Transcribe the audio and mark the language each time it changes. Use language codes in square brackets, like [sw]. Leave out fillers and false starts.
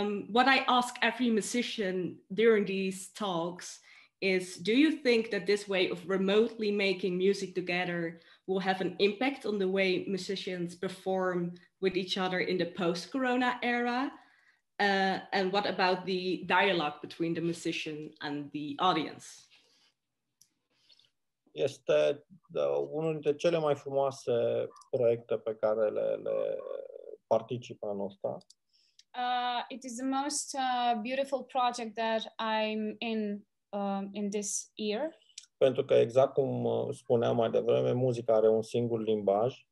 [en] What I ask every musician during these talks is, do you think that this way of remotely making music together will have an impact on the way musicians perform with each other in the post-corona era? And what about the dialogue between the musician and the audience? [ro] Este unul dintre cele mai frumoase proiecte pe care le particip anul. [en] It is the most beautiful project that I'm in this year. [ro] Pentru că exact cum spuneam mai devreme, muzica are un singur limbaj.